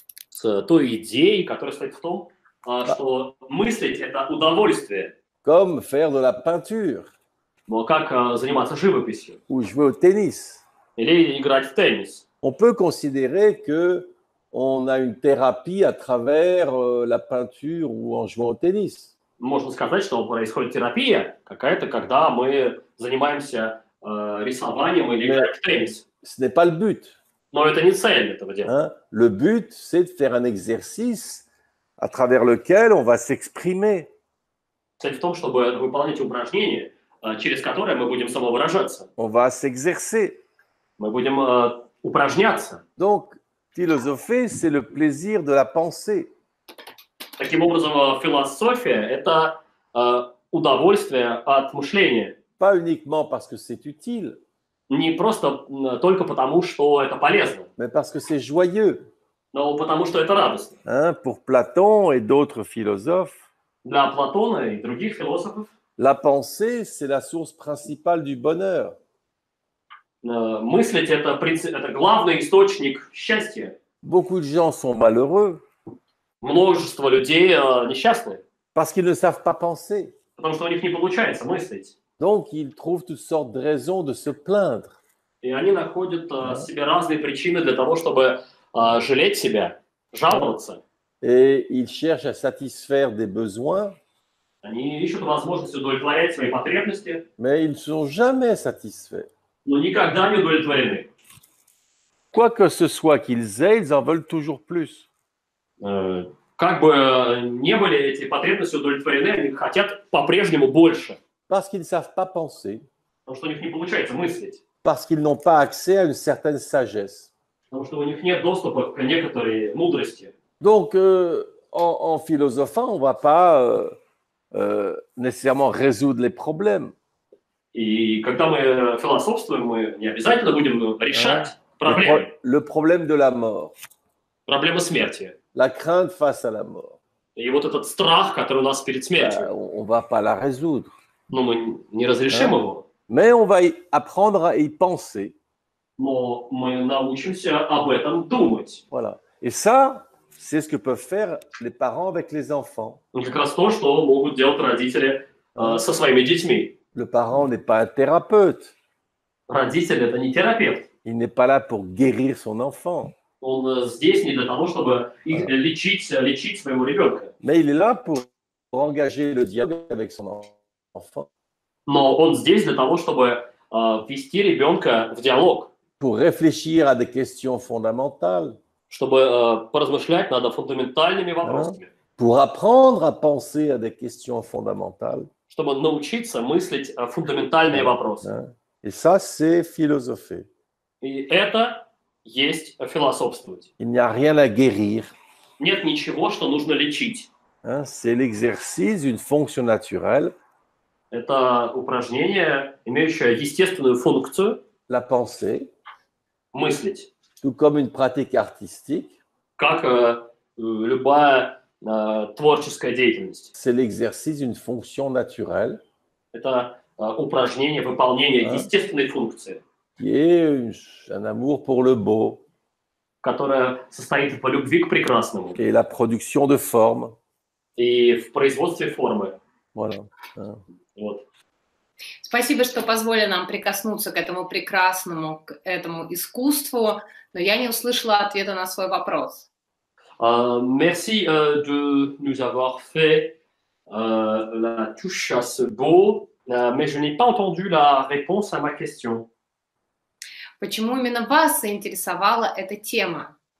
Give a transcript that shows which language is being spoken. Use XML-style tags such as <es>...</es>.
<ru>С той идеей, которая стоит в том, что мыслить – это удовольствие.</ru> <fr>Comme faire de la peinture.</fr> <ru>Но как заниматься живописью.</ru> <fr>Ou jouer au tennis.</fr> <ru>Или играть в теннис.</ru> <fr>On peut considérer que on a une thérapie à travers la peinture ou en jouant au tennis.</fr> <ru>Можно сказать, что происходит терапия какая-то, когда мы занимаемся рисованием или играем в теннис.</ru> <fr>Ce n'est pas le but.</fr> <ru>Но это не цель этого дела. Hein?</ru> <fr>Le but, c'est de faire un exercice à travers lequel on va s'exprimer.</fr> <ru>Цель в том, чтобы выполнить упражнение, через которое мы будем самовыражаться.</ru> <fr>On va s'exercer.</fr> <ru>Мы будем упражняться.</ru> <fr>Donc, philosopher, c'est le plaisir de la pensée.</fr> <ru>Таким образом, философия – это удовольствие от мышления.</ru> <fr>Pas uniquement parce que c'est utile.</fr> <ru>Не просто только потому, что это полезно.</ru> <fr>Mais parce que c'est joyeux.</fr> <ru>Но потому, что это радостно. Hein?</ru> <fr>Pour Platon et d'autres philosophes.</fr> <ru>Для Платона и других философов.</ru> <fr>La pensée, c'est la source principale du bonheur.</fr> <ru>Мыслить – это главный источник счастья.</ru> <fr>Beaucoup de gens sont malheureux.</fr> <ru>Множество людей несчастны.</ru> <fr>Parce qu'ils ne savent pas penser.</fr> <ru>Потому что у них не получается мыслить.</ru> <fr>Donc, ils trouvent toutes sortes de raisons de se plaindre.</fr> <ru>И они находят себе разные причины для того, чтобы жалеть себя, жаловаться.</ru> <fr>Et ils cherchent à satisfaire des besoins.</fr> <ru>Они ищут возможность удовлетворять свои потребности.</ru> <fr>Mais ils ne sont jamais satisfaits.</fr> <ru>Но никогда не удовлетворены.</ru> <fr>Quoi que ce soit qu'ils aient, ils en veulent toujours plus.</fr> <ru>Как бы не были эти потребности удовлетворены, они хотят по-прежнему больше.</ru> <fr>Parce qu'ils ne savent pas penser.</fr> <ru>Потому что у них не получается мыслить.</ru> <fr>Parce qu'ils n'ont pas accès à une certaine sagesse.</fr> <ru>Потому что у них нет доступа к некоторой мудрости.</ru> <fr>Donc, en philosophant, on ne va pas nécessairement résoudre les problèmes.</fr> <ru>И когда мы философствуем, мы не обязательно будем решать проблемы.</ru> <fr>Le problème de la mort.</fr> <ru>Проблема смерти.</ru> <fr>La crainte face à la mort.</fr> <ru>И вот этот страх, который у нас перед смертью.</ru> <fr>On va pas la résoudre.</fr> <ru>Но мы не разрешим его.</ru> <fr>Mais on va apprendre à y penser.</fr> <ru>Но мы научимся об этом думать.</ru> <fr>Voilà. Et ça, c'est ce que peuvent faire les parents avec les enfants.</fr> <ru>Donc, как раз то, что могут делать родители со своими детьми.</ru> <fr>Le parent n'est pas un thérapeute.</fr> <ru>Родитель – это не терапевт.</ru> <fr>Il n'est pas là pour guérir son enfant.</fr> <ru>Он здесь не для того, чтобы лечить своего ребенка.</ru> <fr>Mais il est là pour engager le dialogue avec son enfant.</fr> <ru>Но он здесь для того, чтобы ввести ребенка в диалог.</ru> <fr>Pour réfléchir à des questions fondamentales.</fr> <ru>Чтобы поразмышлять над фундаментальными вопросами. Hein?</ru> <fr>Pour apprendre à penser à des questions fondamentales.</fr> <ru>Чтобы научиться мыслить фундаментальные вопросы.</ru> <fr>Et ça, c'est philosopher.</fr> <ru>И это есть философствовать.</ru> <fr>Il n'y a rien à guérir.</fr> <ru>Нет ничего, что нужно лечить. Hein?</ru> <fr>C'est l'exercice, une fonction naturelle.</fr> <ru>Это упражнение, имеющее естественную функцию.</ru> <fr>La pensée.</fr> <ru>Мыслить.</ru> <fr>Tout comme une pratique artistique.</fr> <ru>Как любая творческая деятельность.</ru> <fr>C'est l'exercice d'une fonction naturelle.</fr> <ru>Это упражнение, выполнение естественной функции.</ru> <fr>Qui est un amour pour le beau.</fr> <ru>Которая состоит по любви к прекрасному.</ru> <fr>Qui est la production de forme.</fr> <ru>И в производстве формы.</ru> <fr>Voilà.</fr> <ru>Вот. Спасибо, что позволили нам прикоснуться к этому прекрасному, к этому искусству, но я не услышала ответа на свой вопрос.</ru> <fr>Merci de nous avoir fait la touche à ce beau, mais je n'ai pas entendu la réponse à ma question.</fr> <ru>Почему именно вас заинтересовала эта тема?</ru>